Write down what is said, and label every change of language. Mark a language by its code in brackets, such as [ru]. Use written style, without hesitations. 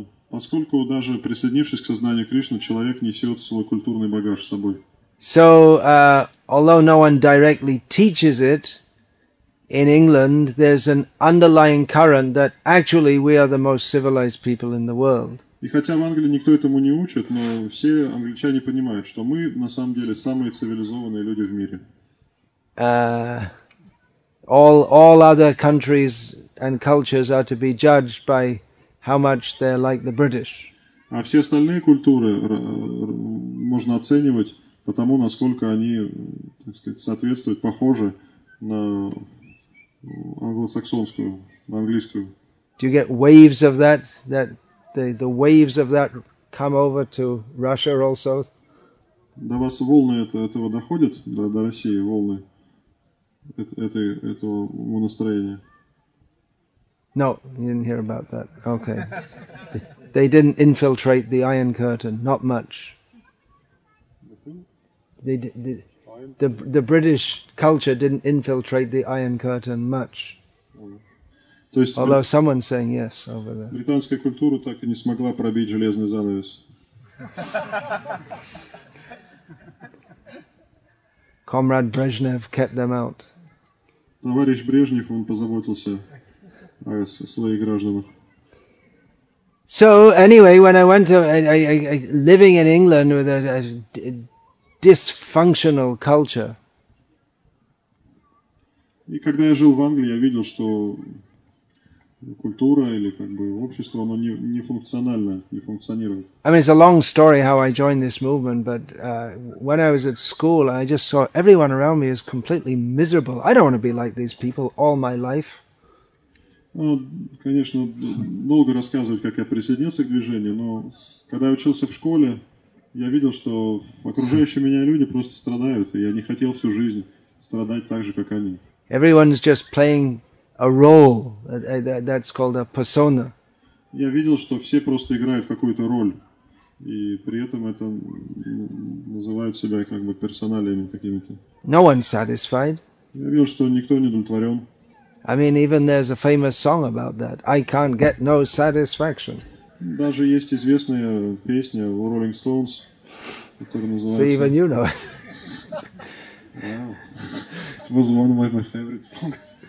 [ru] Поскольку даже присоединившись к сознанию Кришны, человек несет свой культурный багаж с собой. [en] So, although no one directly teaches it in England, there's an underlying current that actually we are the most civilized people in the world. [ru] И хотя в Англии никто этому не учит, но все англичане понимают, что мы на самом деле самые цивилизованные люди в мире. [en] All other countries and cultures are to be judged by how much they're like the British. [ru] А все остальные культуры можно оценивать потому, насколько они, так сказать, соответствуют, похожи на англосаксонскую, на английскую. [en] Do you get waves of that? That the waves of that come over to Russia also? [ru] До вас волны этого доходят, до России волны этого настроения? [en] No, you didn't hear about that. Okay. They didn't infiltrate the Iron Curtain, not much. The British culture didn't infiltrate the Iron Curtain much. Although someone's saying yes over there. [ru] Британская культура так и не смогла пробить железный занавес. [en] Comrade Brezhnev kept them out. [ru] Товарищ Брежнев, он позаботился о своих гражданах. [en] So anyway, when I went to living in England with a dysfunctional culture. [ru] И когда я жил в Англии, я видел, что культура или как бы общество, оно не функционально, не функционирует. [en] I mean, it's a long story how I joined this movement, but when I was at school, I just saw everyone around me is completely miserable. I don't want to be like these people all my life. [ru] Ну, конечно, долго рассказывать, как я присоединился к движению, но когда я учился в школе, я видел, что окружающие меня люди просто страдают, и я не хотел всю жизнь страдать так же, как они. [en] Everyone is just playing a role. That's called a persona. [ru] Я видел, что все просто играют какую-то роль, и при этом это называют себя как бы персоналиями какими-то. [en] No one's satisfied. [ru] Я видел, что никто не удовлетворен. [en] I mean, even there's a famous song about that. I can't get no satisfaction. [ru] Даже есть известная песня у Rolling Stones, которая называется... [en] So even you know it. Wow. It was one of my favorite songs.